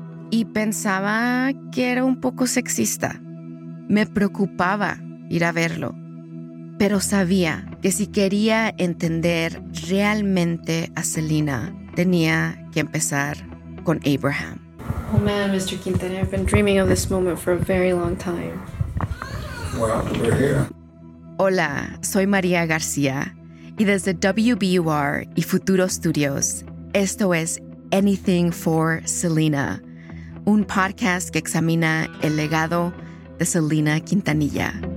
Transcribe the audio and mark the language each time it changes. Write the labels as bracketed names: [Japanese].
[Spanish] Y pensaba que era un poco sexista. Me preocupaba ir a verlo. Pero sabía que si quería entender realmente a Selena, tenía que empezar con Abraham. [English] Oh man, Mr. Quintana, I've been dreaming of this moment for a very long time. Well, we're here. [Spanish] Hola, soy María García, y desde WBUR y Futuro Studios, esto es Anything for Selena, un podcast que examina el legado de Selena Quintanilla.